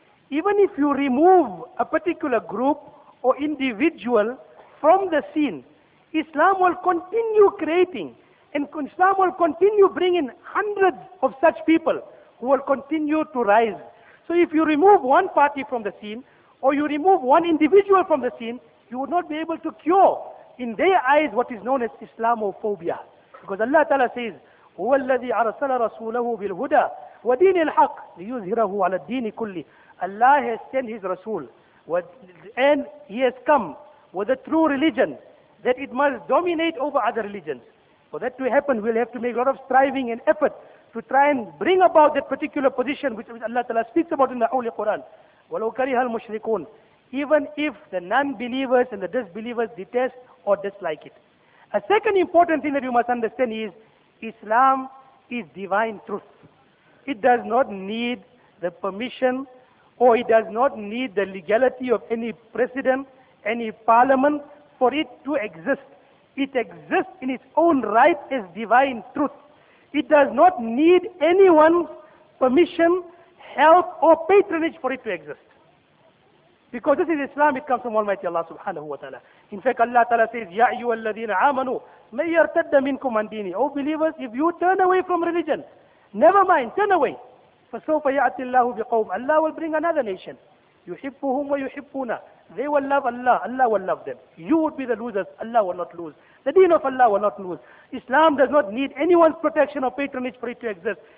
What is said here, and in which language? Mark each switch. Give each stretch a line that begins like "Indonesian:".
English: Even if you remove a particular group or individual from the scene, Islam will continue creating, and Islam will continue bringing hundreds of such people who will continue to rise. So if you remove one party from the scene, or you remove one individual from the scene, you would not be able to cure, in their eyes, what is known as Islamophobia. Because Allah Ta'ala says,
Arabic: هُوَ الَّذِي أَرْسَلَ رَسُولَهُ بِالْهُدَى وَدِينِ الْحَقِّ لِيُزْهِرَهُ عَلَى الدِّينِ كُلِّ.
English: Allah has sent His Rasul, and He has come with a true religion, that it must dominate over other religions. For that to happen, we'll have to make a lot of striving and effort to try and bring about that particular position which Allah Ta'ala speaks about in the Holy Quran.
Arabic: وَلَوْ كَرِهَ الْمُشْرِكُونَ.
English: Even if the non-believers and the disbelievers detest or dislike it. A second important thing that you must understand is Islam is divine truth. It does not need the permission, or it does not need the legality of any president, any parliament, for it to exist. It exists in its own right as divine truth. It does not need anyone's permission, help or patronage for it to exist. Because this is Islam, it comes from Almighty Allah subhanahu wa ta'ala. In fact, Allah ta'ala says,
Arabic: يَا أَيُّوَ الَّذِينَ آمَنُوا مَنْ يَرْتَدَّ مِنْكُمْ عَنْ دِينِي.
English: O believers, if you turn away from religion, never mind, turn away.
Arabic: فَسَوْفَ يَأْتِ اللَّهُ بِقَوْمٍ.
English: Allah will bring another nation.
Arabic: يُحِبُّهُمْ وَيُحِبُّونَ.
English: They will love Allah. Allah will love them. You would be the losers. Allah will not lose. The deen of Allah will not lose. Islam does not need anyone's protection or patronage for it to exist.